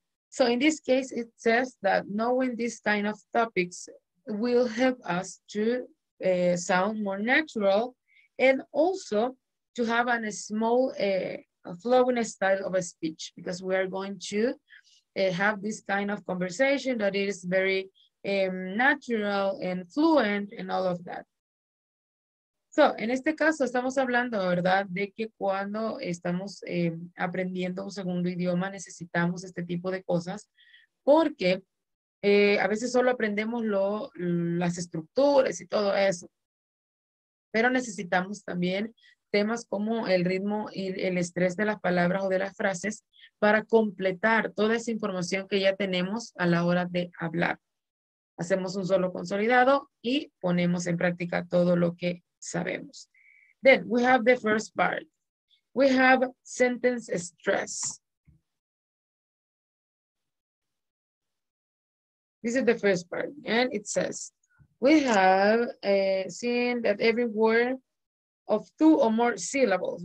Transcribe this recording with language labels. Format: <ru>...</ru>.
<en>So in this case, it says that knowing these kind of topics will help us to sound more natural, and also to have a small flowing style of a speech, because we are going to have this kind of conversation that is very natural and fluent and all of that.</en> <es>So en este caso estamos hablando, ¿verdad?, de que cuando estamos aprendiendo un segundo idioma necesitamos este tipo de cosas, porque a veces solo aprendemos las estructuras y todo eso, pero necesitamos también temas como el ritmo y el estrés de las palabras o de las frases para completar toda esa información que ya tenemos a la hora de hablar. Hacemos un solo consolidado y ponemos en práctica todo lo que sabemos.</es> <en>Then we have the first part. We have sentence stress. This is the first part, and it says, we have seen that every word of two or more syllables.</en>